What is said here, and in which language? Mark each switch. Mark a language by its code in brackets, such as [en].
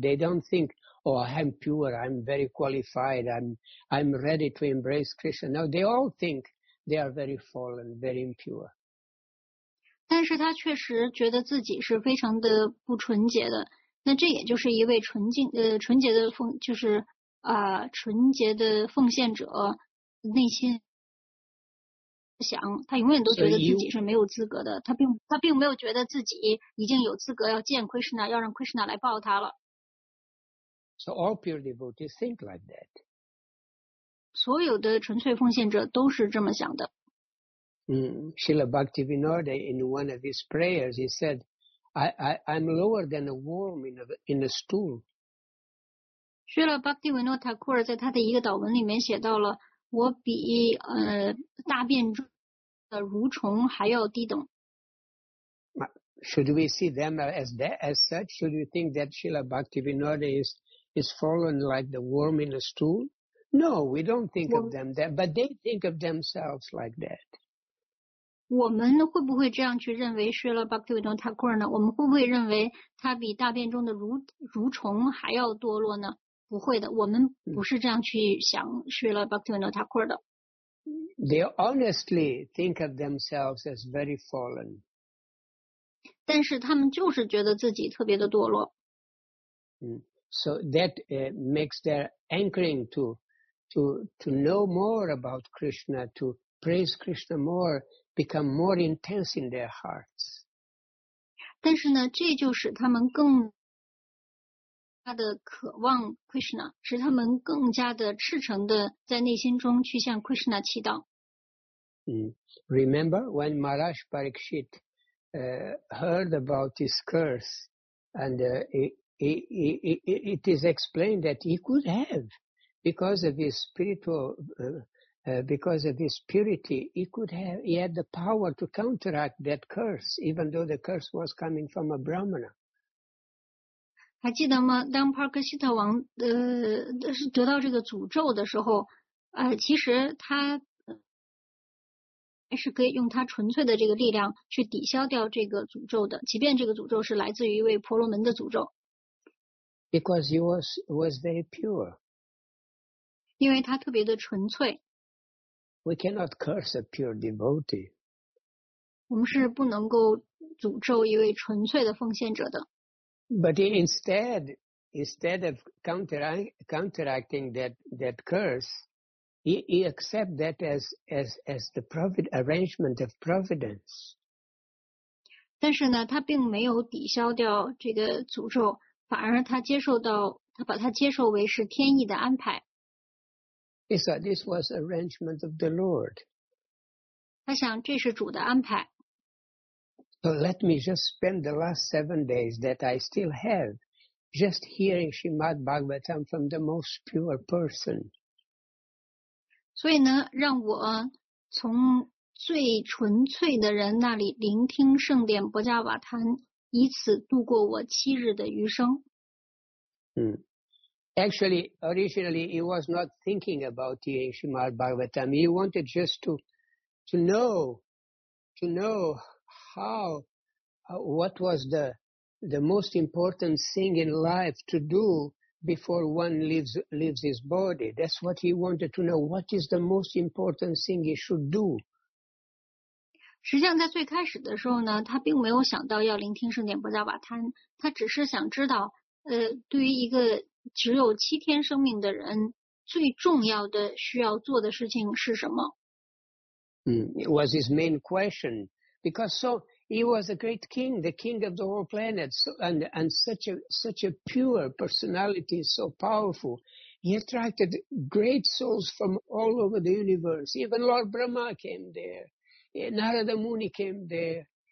[en] They don't think, oh, I'm pure, I'm very qualified, I'm ready to embrace Krishna. No, they all think they are very fallen, very impure. [zh] 但是他确实觉得自己是非常的不纯洁的，那这也就是一位纯洁的奉献者内心想，他永远都觉得自己是没有资格的，他并没有觉得自己已经有资格要见 Krishna， 要让 Krishna 来抱他了。 [en] So all pure devotees think like that. [zh] 所有的纯粹奉献者都是这么想的。 [en] Srila Bhaktivinoda, in one of his prayers, he said, I'm lower than a worm in a stool. [zh] Srila Bhaktivinoda Thakur 在他的一个祷文里面写到了，我比大便中的蠕虫还要低等。 [en] Should we see them as such? Should we think that Srila Bhaktivinoda is fallen like the worm in a stool? No, we don't think of them that, but they think of themselves like that. [zh] 我们会不会这样去认为是了 Bhaktivinoda Thakur 呢？我们会不会认为他比大便中的蠕虫还要堕落呢？不会的，我们不是这样去想是了 Bhaktivinoda Thakur 的。 [en] They honestly think of themselves as very fallen. [zh] 但是他们就是觉得自己特别的堕落。 [en] So that makes their anchoring to know more about Krishna, to praise Krishna more. Become more intense in their hearts. [zh] 但是呢，这就使他们更加的渴望 Krishna， 使他们更加的赤诚的在内心中去向 Krishna 祈祷。 [en] Remember when Maharaj Parikshit heard about this curse, and it is explained that he could have because of his purity, he had the power to counteract that curse, even though the curse was coming from a Brahmana. [zh] 还记得吗？当帕克希特王得到这个诅咒的时候，其实他还是可以用他纯粹的这个力量去抵消掉这个诅咒的，即便这个诅咒是来自于一位婆罗门的诅咒。 [en] Because he was very pure. [zh] 因为他特别的纯粹。 [en] We cannot curse a pure devotee. [zh] 我们是不能够诅咒一位纯粹的奉献者的。 [en] But instead of counteracting that curse, he accept that as the arrangement of providence. [zh] 但是呢，他并没有抵消掉这个诅咒，反而他接受到，他把它接受为是天意的安排。 [en] He said this was arrangement of the Lord. [zh] 他想这是主的安排。 [en] So let me just spend the last 7 days that I still have just hearing Srimad Bhagavatam from the most pure person. [zh] 所以呢，让我从最纯粹的人那里聆听圣殿博迦瓦坛，以此度过我七日的余生。 [en] Actually, originally he was not thinking about hearing Srimad Bhagavatam. He wanted just to know what was the most important thing in life to do before one leaves his body. That's what he wanted to know. What is the most important thing he should do? [zh] 实际上在最开始的时候呢，他并没有想到要聆听圣殿博迦瓦坛，他只是想知道对于一个只有七天生命的人，最重要的需要做的事情是什么。 [en] It was his main question. Because so, he was a great king, the king of the whole planet, and such a pure personality, so powerful. He attracted great souls from all over the universe. Even Lord Brahma came there. Narada Muni came there.